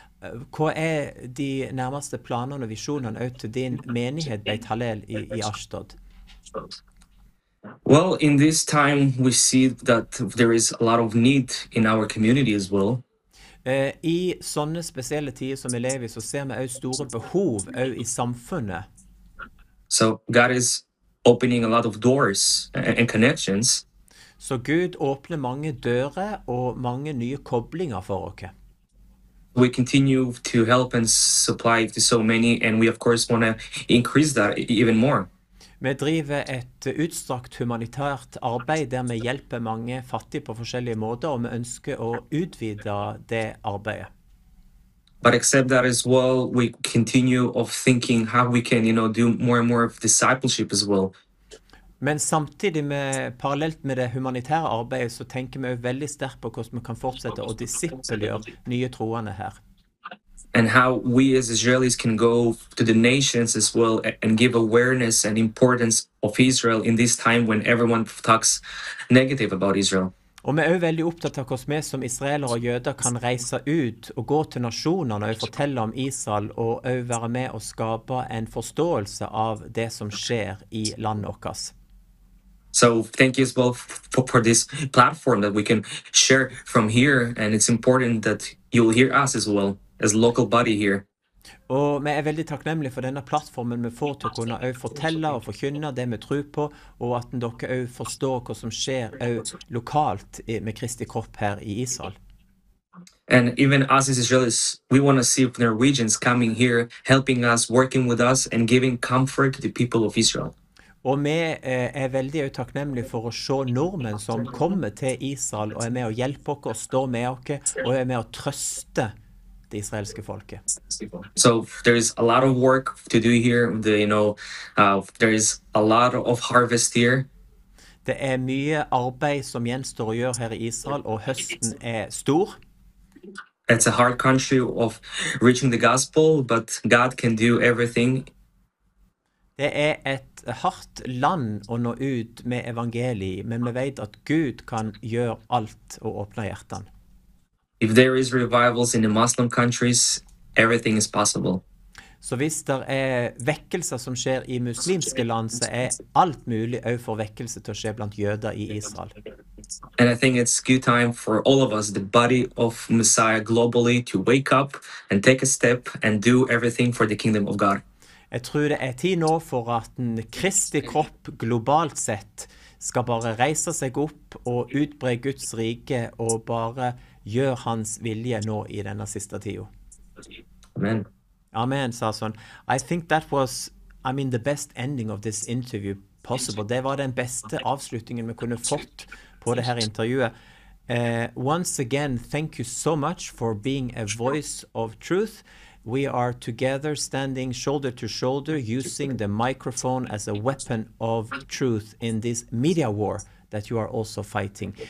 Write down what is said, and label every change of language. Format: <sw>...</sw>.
<no>Hva er de nærmeste planene og visjonene ut til din menighet, Beit Halel, i Ashdod?</no> <en>Well, in this time, we see that there is a lot of need in our community as well.</en> <no>I sånne spesielle tider som vi lever i, så ser vi også store behov også i samfunnet.</no> <en>So God is opening a lot of doors and connections.</en> <no>Så Gud åpner mange dører og mange nye koblinger for oss.</no> <en>We continue to help and supply to so many, and we of course want to increase that even more.</en> <no>Vi driver et utstrakt humanitært arbeid der vi hjelper mange fattige på forskjellige måter, og vi ønsker å utvide det arbeidet.</no> <en>But except that as well, we continue of thinking how we can, you know, do more and more of discipleship as well.</en> <no>Men samtidig med, parallelt med det humanitære arbeidet, så tenker vi jo veldig sterkt på hvordan vi kan fortsette å disippelgjøre nye troende her.</no> <en>And how we as Israelis can go to the nations as well and give awareness and importance of Israel in this time when everyone talks negative about Israel.</en> <no>Og vi er jo veldig opptatt av hvordan vi som israelere og jøder kan reise ut og gå til nasjonene og fortelle om Israel og være med og skape en forståelse av det som skjer i landet vårt.</no> <en>So thank you as well for this platform that we can share from here, and it's important that you'll hear us as well as local body here.</en> <no>Og vi er veldig takknemlige for denne plattformen vi får til å kunne fortelle og forkynne det vi tror på, og at dere forstår hva som skjer lokalt med Kristi kropp her i Israel.</no> <en>And even us as Israelis, we want to see Norwegians coming here, helping us, working with us, and giving comfort to the people of Israel.</en> <no>Og vi er veldig takknemlige for å se nordmenn som kommer til Israel og er med å hjelpe oss, og står med oss, og er med å trøste det israelske folket.</no> <en>So there is a lot of work to do here. There is a lot of harvest here.</en> <no>Det er mye arbeid som gjenstår å gjøre her i Israel, og høsten er stor.</no> <en>It's a hard country of reaching the gospel, but God can do everything.</en> <no>Det er et hardt land å nå ut med evangeliet, men vi vet at Gud kan gjøre alt og åpne hjertene.</no> <en>If there is revivals in the Muslim countries, everything is possible.</en> <no>Så hvis det er vekkelser som skjer i muslimske land, så er alt mulig også for vekkelse til å skje blant jøder i Israel.</no> <en>And I think it's good time for all of us, the body of Messiah globally, to wake up and take a step and do everything for the kingdom of God.</en> <no>Jeg tror det er tid nå for at en Kristi kropp globalt sett skal bare reise seg opp og utbre Guds rike og bare gjør hans vilje nå i denne siste tida. Amen. Amen, sa sånn.</no> <en>I think that was, the best ending of this interview possible.</en> <no>Det var den beste avslutningen vi kunne fått på det her intervjuet.</no> <en>Once again, thank you so much for being a voice of truth. We are together standing shoulder to shoulder using the microphone as a weapon of truth in this media war that you are also fighting.</en>